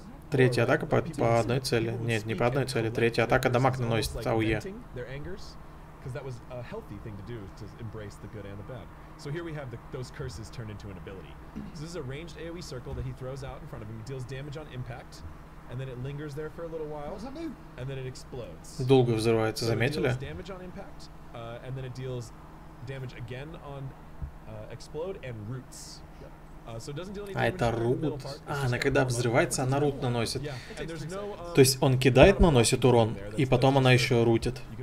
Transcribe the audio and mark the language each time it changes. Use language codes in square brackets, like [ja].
[ru] Третья атака по одной цели. Нет, не по одной цели. Третья атака дамаг наносит АУЕ. [en] Because that was a healthy thing to do, to embrace the good and the bad. So here we have those curses turned into an ability. So this is a ranged AoE circle that he throws out in front of him. He deals damage on impact, and then it lingers there for a little while, and then it explodes. [ru] Долго взрывается, заметили? [en] Deals damage on impact, and then it deals damage again on explode and roots. [ru] А это рут? А, она когда взрывается, она рут наносит. То есть он кидает, наносит урон, и потом она еще рутит.